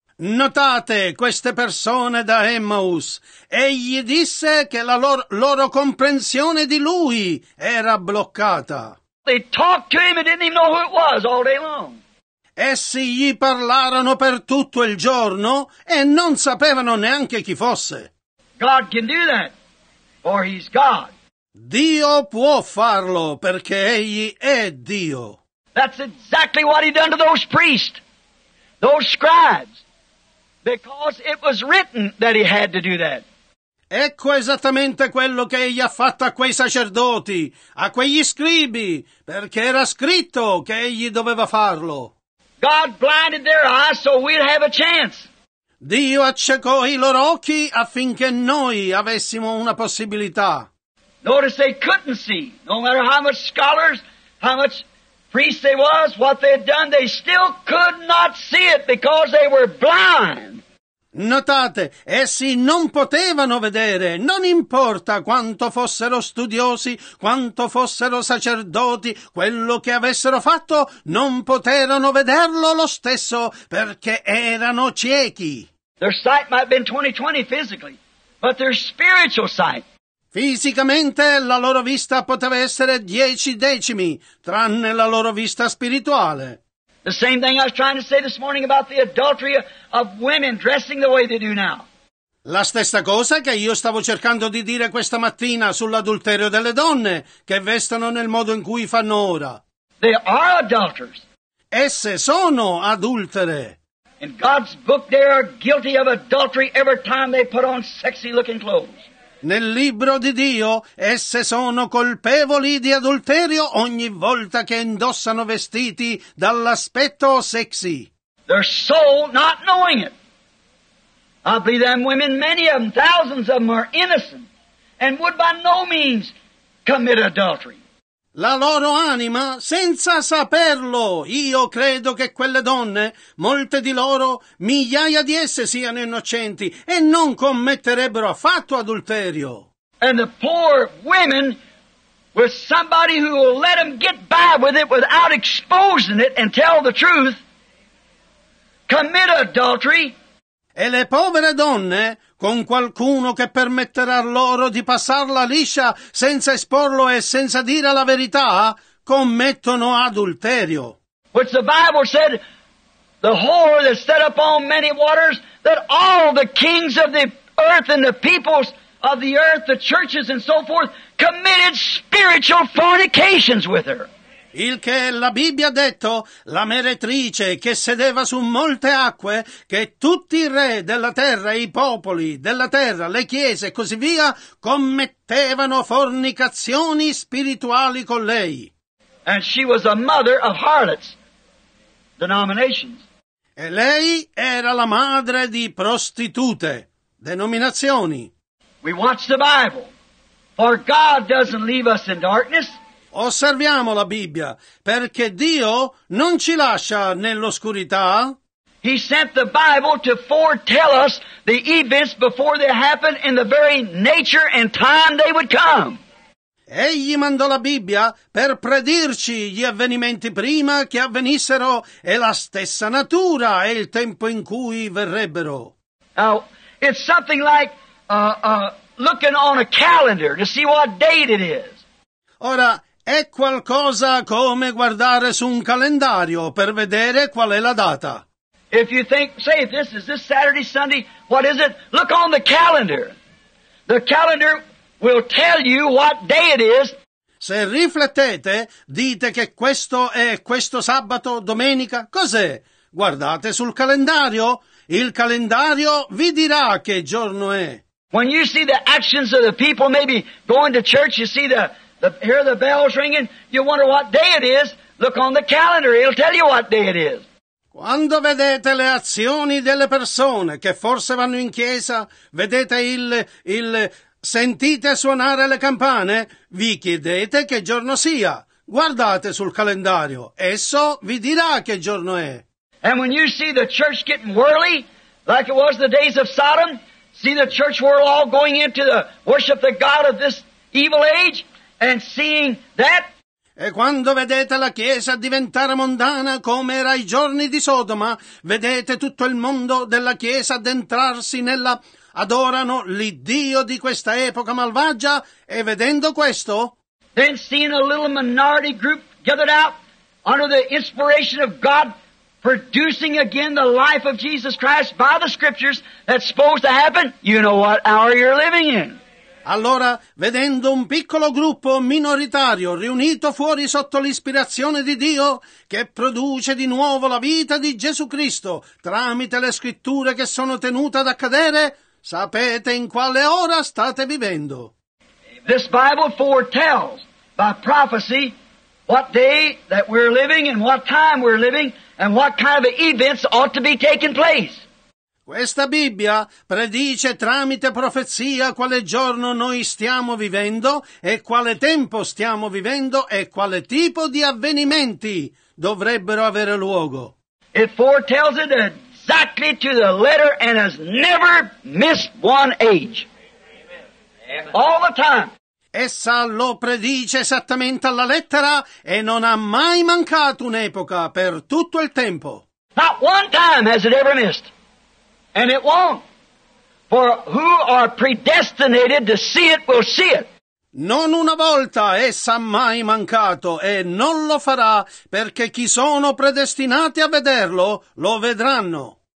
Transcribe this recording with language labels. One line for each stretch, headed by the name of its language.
Italian: Notate queste persone da Emmaus. Egli disse che la loro comprensione di Lui era bloccata.
English: They talked to Him and didn't even know who it was all day long.
Italian: Essi gli parlarono per tutto il giorno e non sapevano neanche chi fosse.
English: God can do that, for He's God.
Italian: Dio può farlo perché Egli è Dio.
English: That's exactly what He'd done to those priests, those scribes. Because it was written that He had to do that.
Italian: Ecco esattamente quello che egli ha fatto a quei sacerdoti, a quegli scribi, perché era scritto che egli doveva farlo.
English: God blinded their eyes so we'd have a chance.
Italian: Dio accecò i loro occhi affinché noi avessimo una possibilità.
English: Notice they couldn't see, no matter how much scholars, how much priests they was, what they had done, they still could not see it because they were blind.
Italian: Notate, essi non potevano vedere, non importa quanto fossero studiosi, quanto fossero sacerdoti, quello che avessero fatto, non poterono vederlo lo stesso perché erano ciechi.
English: Their sight might have been 20/20 physically, but their spiritual sight.
Italian: Fisicamente la loro vista poteva essere 10/10, tranne la loro vista spirituale.
English: The same thing I was trying to say this morning about the adultery of women dressing the way they do now.
Italian: La stessa cosa che io stavo cercando di dire questa mattina sull'adulterio delle donne che vestono nel modo in cui fanno ora.
English: They are adulterers.
Italian: Esse sono adultere.
English: In God's book they are guilty of adultery every time they put on sexy looking clothes.
Italian: Nel libro di Dio, esse sono colpevoli di adulterio ogni volta che indossano vestiti dall'aspetto sexy.
English: Their soul not knowing it. I believe them women, many of them, thousands of them are innocent and would by no means commit adultery.
Italian: La loro anima, senza saperlo, io credo che quelle donne, molte di loro, migliaia di esse siano innocenti e non commetterebbero affatto adulterio.
English: And the poor women with somebody who will let them get by with it without exposing it and tell the truth, commit adultery.
Italian: E le povere donne, con qualcuno che permetterà loro di passarla liscia senza esporlo e senza dire la verità, commettono adulterio.
English: Which the Bible said, the whore that set upon many waters, that all the kings of the earth and the peoples of the earth, the churches and so forth, committed spiritual fornications with her.
Italian: Il che la Bibbia ha detto, la meretrice che sedeva su molte acque, che tutti i re della terra, i popoli della terra, le chiese e così via, commettevano fornicazioni spirituali con lei.
English: And she was a mother of harlots, denominations.
Italian: E lei era la madre di prostitute, denominazioni.
English: We watch the Bible, for God doesn't leave us in darkness.
Italian: Osserviamo la Bibbia, perché Dio non ci lascia nell'oscurità.
English: He sent the Bible to foretell us the events before they happened in the very nature and time they would come.
Italian: Egli mandò la Bibbia per predirci gli avvenimenti prima che avvenissero e la stessa natura e il tempo in cui verrebbero.
English: Now, it's something like looking on a calendar to see what date it is.
Italian: Ora, è qualcosa come guardare su un calendario per vedere qual è la data.
English: If you think, say, if this is this Saturday, Sunday, what is it? Look on the calendar. The calendar will tell you what day it is.
Italian: Se riflettete, dite che questo è questo sabato, domenica, cos'è? Guardate sul calendario. Il calendario vi dirà che giorno è.
English: When you see the actions of the people, maybe going to church, you see the hear the bells ringing, you wonder what day it is. Look on the calendar, it'll tell you what day it is.
Italian: Quando vedete le azioni delle persone che forse vanno in chiesa, vedete il sentite suonare le campane, vi chiedete che giorno sia. Guardate sul calendario, esso vi dirà che giorno è.
English: And when you see the church getting whirly, like it was the days of Sodom, see the church world all going into the worship the God of this evil age, and seeing that.
Italian: E quando vedete la Chiesa diventare mondana come era ai giorni di Sodoma, vedete tutto il mondo della Chiesa addentrarsi nella... adorano l'Iddio di questa epoca malvagia, e vedendo questo...
English: Then seeing a little minority group gathered out under the inspiration of God, producing again the life of Jesus Christ by the scriptures that's supposed to happen, you know what hour you're living in.
Italian: Allora, vedendo un piccolo gruppo minoritario riunito fuori sotto l'ispirazione di Dio, che produce di nuovo la vita di Gesù Cristo tramite le scritture che sono tenute ad accadere, sapete in quale ora state vivendo.
English: This Bible foretells by prophecy what day that we're living and what time we're living and what kind of events ought to be taking place.
Italian: Questa Bibbia predice tramite profezia quale giorno noi stiamo vivendo e quale tempo stiamo vivendo e quale tipo di avvenimenti dovrebbero avere luogo.
English: It foretells it exactly to the letter and has never missed one age. All the time.
Italian: Essa lo predice esattamente alla lettera e non ha mai mancato un'epoca per tutto il tempo.
English: Not one time has it ever missed. And it won't. For who are predestinated to see it will see it.
Italian: Non una volta essa ha mai mancato e non lo farà, perché chi sono predestinati a vederlo lo vedranno.